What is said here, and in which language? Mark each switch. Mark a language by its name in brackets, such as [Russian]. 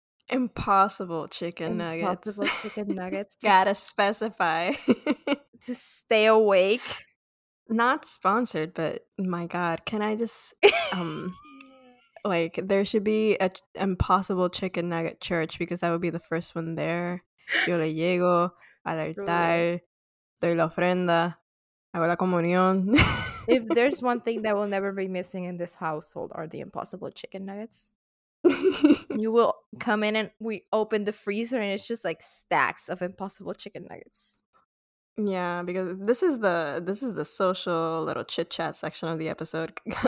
[English] Impossible chicken nuggets. Gotta specify. To stay awake. Not sponsored, but my God, can I just... Like, there should be an impossible chicken nugget church because that would be the first one there. [Spanish] Yo le llego al altar, doy la ofrenda, hago la comunión. [English] If there's one thing that will never be missing in this household are the impossible chicken nuggets. You will come in and we open the freezer and it's just like stacks of impossible chicken nuggets. Yeah, because this is the social little chit-chat section of the episode.